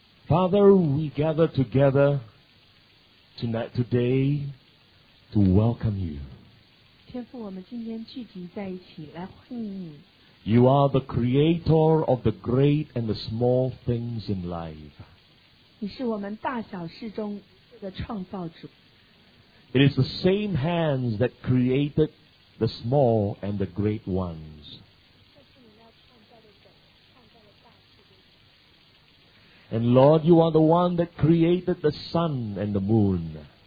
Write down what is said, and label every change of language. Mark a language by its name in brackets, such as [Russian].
[English] Father, we gather together tonight, today, to welcome you. [Chinese] 天父，我们今天聚集在一起来欢迎你。 [English] You are the creator of the great and the small things in life. [Chinese] 你是我们大小事中的创造主。 [English] It is the same hands that created the small and the great ones. And Lord, you are the one that created the sun and the moon.